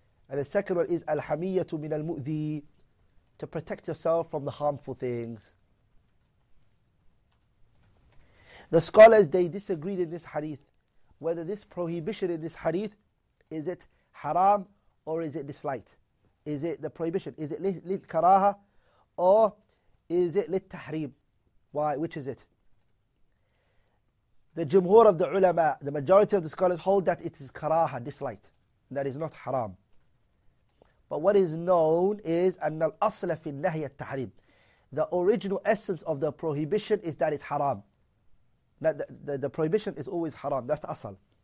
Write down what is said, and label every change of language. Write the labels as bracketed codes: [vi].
[en] And the second one is [ar] الحمية من المؤذي, [en] to protect yourself from the harmful things. The scholars, they disagreed in this hadith, whether this prohibition in this hadith, is it haram or is it disliked? Is it the prohibition? Is it للكراهة or is it للتحريم? Why? Which is it? The jumhur of the ulama, the majority of the scholars hold that it is karaha, disliked. That is not haram. But what is known is [ar] أَنَّ الْأَصْلَ فِي النَّهْيَ التَّحْرِيمِ. [en] The original essence of the prohibition is that it's haram. The prohibition is always haram. That's the asal.